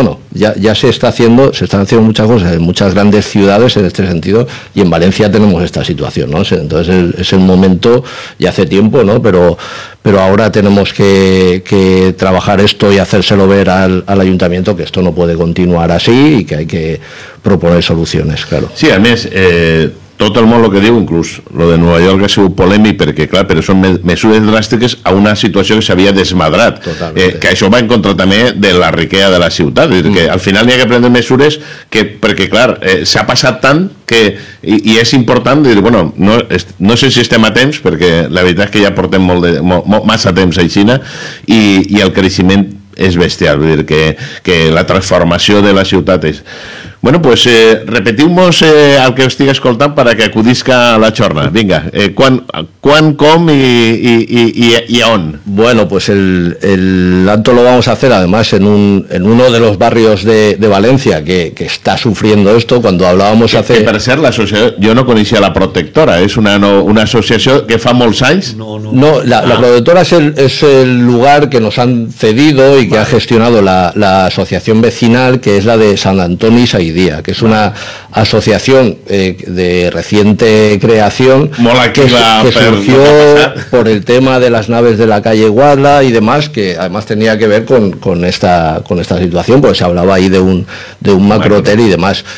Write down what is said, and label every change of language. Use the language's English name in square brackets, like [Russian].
[Spanish] Bueno, ya se están haciendo muchas cosas en muchas grandes ciudades en este sentido, y en Valencia tenemos esta situación, ¿no? Entonces es el momento, ya hace tiempo, ¿no? Pero ahora tenemos que trabajar esto y hacérselo ver al ayuntamiento, que esto no puede continuar así y que hay que proponer soluciones, claro. [Catalan] Sí, a més, tot el món el que diu, inclús lo de Nova York ha sigut polèmic, perquè clar, però són mesures dràstiques a una situació que s'havia desmadrat, que això va en contra també de la riquea de la ciutat, és dir, que al final hi ha que prendre mesures que, perquè clar, s'ha passat tant que, i és important dir, bueno, no sé si estem a temps, perquè la veritat és que ja portem massa temps a Xina, i el creixement és bestial, vull dir que la transformació de la ciutat és... [Spanish] Bueno, pues repetimos al que [Catalan] estigui escoltant [Spanish] para que acudisca a la xorna. [Catalan] Vinga, quan, com i on? [Spanish] Bueno, pues el acto lo vamos a hacer además en uno de los barrios de Valencia que está sufriendo esto. Cuando hablábamos hace... [Catalan] Que per ser la associació, jo no coneixia la Protectora, és una associació que fa molts anys... [Spanish] No, la Protectora és el lugar que nos han cedido y que ha gestionado la asociación vecinal, que es la de San Antoni Saí Día, que es una asociación de reciente creación, mola que surgió por el tema de las naves de la calle Guadla y demás, que además tenía que ver con esta situación, porque se hablaba ahí de un macro hotel y demás.